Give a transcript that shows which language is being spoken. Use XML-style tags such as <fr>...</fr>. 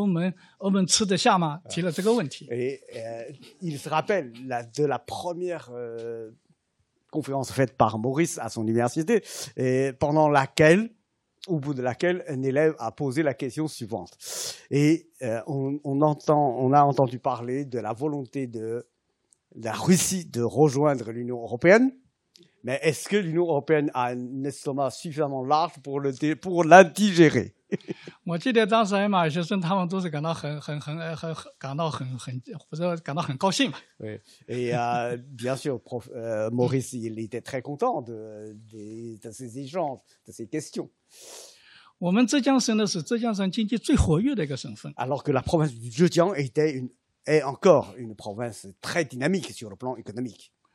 <zh>记得这个艾玛尔先生他们到我们那第一次来的时候，我们的一个研究生就提了一个问题，说这个俄罗斯想加入这个欧盟，欧盟吃得下吗？提了这个问题。</zh> <fr>Il se rappelle de la première conférence faite par Maurice à son université, et pendant laquelle, au bout de laquelle, un élève a posé la question suivante. Et on a entendu parler de la volonté de la Russie de rejoindre l'Union européenne, mais est-ce que l'Union européenne a un estomac suffisamment large pour la digérer ? bien sûr, Maurice, il était très content de ces échanges, de ces questions.</fr> <zh>我们浙江省呢是浙江省经济最活跃的一个省份。</zh> <fr>Alors que la province du Zhejiang était une est encore une province très dynamique sur le plan économique.</fr>